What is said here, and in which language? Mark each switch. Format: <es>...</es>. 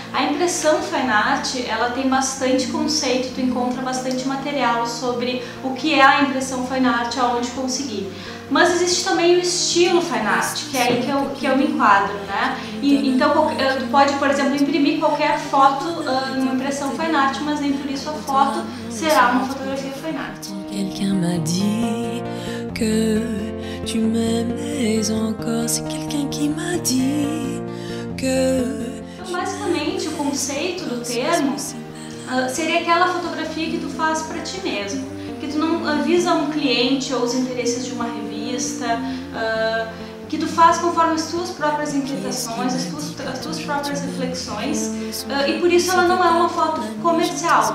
<pt>A impressão fine art, ela tem bastante conceito, tu encontra bastante material sobre o que é a impressão fine art, aonde conseguir. Mas existe também o estilo fine art, que é aí que eu me enquadro, né? E, então, tu pode, por exemplo, imprimir qualquer foto em uma impressão fine art, mas nem por isso a foto será uma fotografia fine art.</pt> <fr>Quelqu'un m'a dit que tu m'aimes encore. C'est quelqu'un qui m'a dit que.</fr> <pt>Basicamente, o conceito do termo seria aquela fotografia que tu faz para ti mesmo, que tu não avisa um cliente ou os interesses de uma revista, que tu faz conforme as tuas próprias inquietações, as tuas próprias reflexões, e por isso ela não é uma foto comercial.</pt>